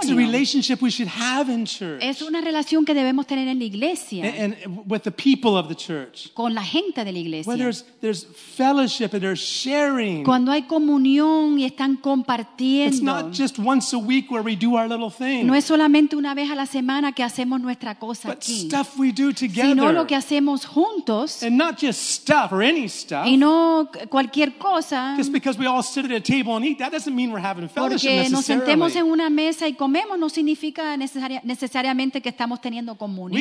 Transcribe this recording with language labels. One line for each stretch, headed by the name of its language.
English: It's a relationship we should have in church.
Spanish: Es una relación que debemos tener en la iglesia.
English: And with the people of the church.
Spanish: Con la gente de la iglesia.
English: Where there's fellowship and there's sharing.
Spanish: Cuando hay comunión y están compartiendo.
English: It's not just once a week where we do our little thing.
Spanish: No es solamente una vez a la semana que hacemos nuestra cosa
English: but
Spanish: aquí.
English: Stuff we do together.
Spanish: Sino lo que hacemos juntos,
English: and not just stuff or any stuff.
Spanish: Y no cualquier cosa.
English: Just because we all sit at a table and eat, that doesn't mean we're having fellowship necessarily.
Spanish: Porque nos sentemos en una mesa y comemos no significa necesariamente que estamos teniendo comunión.